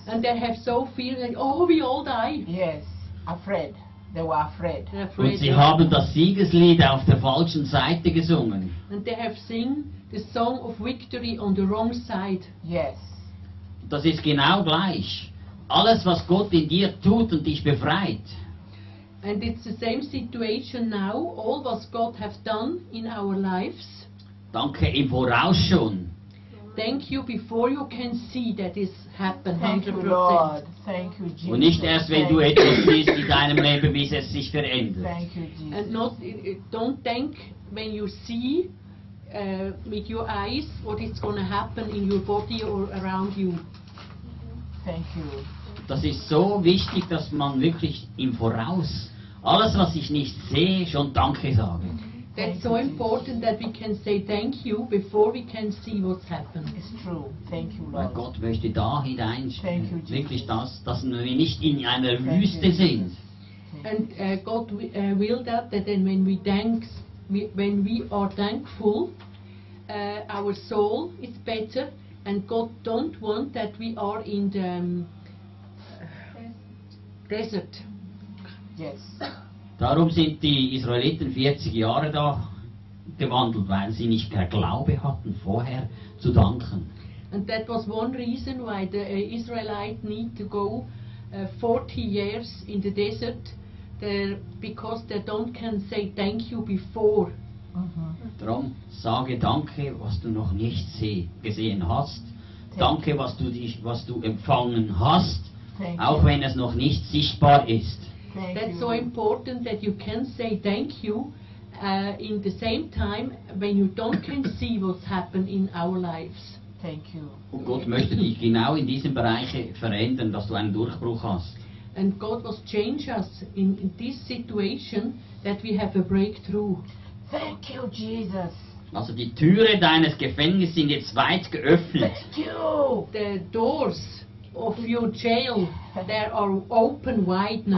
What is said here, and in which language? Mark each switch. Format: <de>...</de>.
<en>And they have so fear that, oh, we all die. Yes, afraid. They were afraid.</en> <de>Und sie haben das Siegeslied auf der falschen Seite gesungen.</de> <en>And they have sung the song of victory on the wrong side. Yes.</en> <de>Das ist genau gleich. Alles, was Gott in dir tut und dich befreit.</de> <en>And it's the same situation now. All what God has done in our lives.</en> <de>Danke im Voraus schon.</de> <en>Thank you before you can see that this happened. Thank you, Lord. Thank you, Jesus.</en> <de>Und nicht erst, wenn du etwas siehst in deinem Leben, bis es sich verändert.</de> <en>Thank you, Jesus. And not, don't think when you see with your eyes what is going to happen in your body or around you. Thank you.</en> <de>Das ist so wichtig, dass man wirklich im Voraus alles, was ich nicht sehe, schon Danke sage.</de> <en>That's so important that we can say thank you before we can see what's happened. It's true. Thank you, Lord.</en> <de>Weil Gott möchte da hinein, wirklich das, dass wir nicht in einer Wüste sind.</de> <en>And God will that, that then when we thanks, when we are thankful, our soul is better. And God don't want that we are in the desert. Yes.</en> <de>Darum sind die Israeliten 40 Jahre da gewandelt, weil sie nicht per Glaube hatten, vorher zu danken.</de> <en>And that was one reason why the Israelites need to go 40 years in the desert, because they don't can say thank you before. Uh-huh.</en> <de>Darum sage Danke, was du noch nicht gesehen hast. Danke, was du empfangen hast, auch wenn es noch nicht sichtbar ist.</de> <en>Thank That's you. So important that you can say thank you in the same time when you don't can see what's happened in our lives. Thank you.</en> <de>Und Gott möchte dich genau in diesen Bereichen verändern, dass du einen Durchbruch hast.</de> <en>And God will change us in this situation that we have a breakthrough. Thank you, Jesus.</en> <de>Also die Türe deines Gefängnisses sind jetzt weit geöffnet.</de> <en>Thank you. The doors of your jail, they are open wide now.</en>